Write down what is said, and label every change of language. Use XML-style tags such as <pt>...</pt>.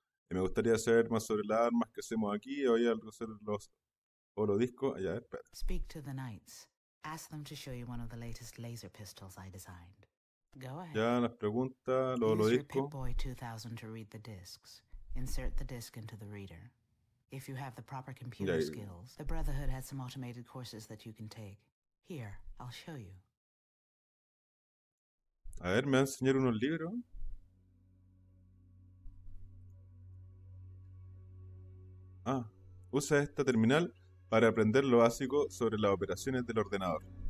<es>Y me gustaría saber más sobre las armas que hacemos aquí. Oye, algo sobre los oro discos. Ya, espera.</es> <en>Speak to the knights. Ask them to show you one of the latest laser pistols I designed. Go ahead.</en> <es>Ya, las preguntas, los oro discos.</es> <en>Use your Pip-Boy 2000 to read the discs. Insert the disc into the reader. If you have the proper computer skills, the Brotherhood has some automated courses that you can take. Here, I'll show you.</en> <es>A ver, me va a enseñar unos libros. Ah, usa esta terminal para aprender lo básico sobre las operaciones del ordenador.</es>